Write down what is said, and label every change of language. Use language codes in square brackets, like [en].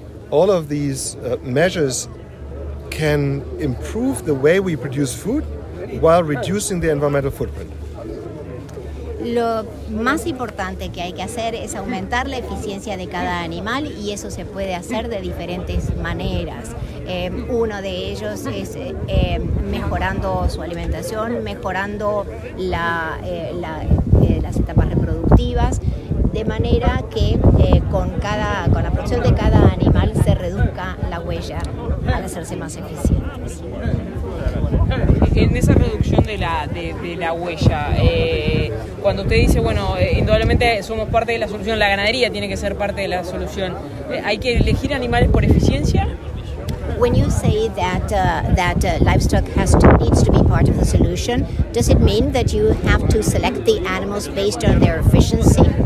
[en] All of these measures can improve the way we produce food while reducing the environmental footprint. [es] Lo más importante que hay que hacer es aumentar la eficiencia de cada animal y eso se puede hacer de diferentes maneras. Uno de ellos es mejorando su alimentación, mejorando las etapas reproductivas, de manera que con la producción de cada animal se reduzca la huella al hacerse más eficientes. En esa reducción de la huella, cuando usted dice, bueno, indudablemente somos parte de la solución, la ganadería tiene que ser parte de la solución, ¿hay que elegir animales por eficiencia? [en] When you say that livestock needs to be part of the solution, does it mean that you have to select the animals based on their efficiency?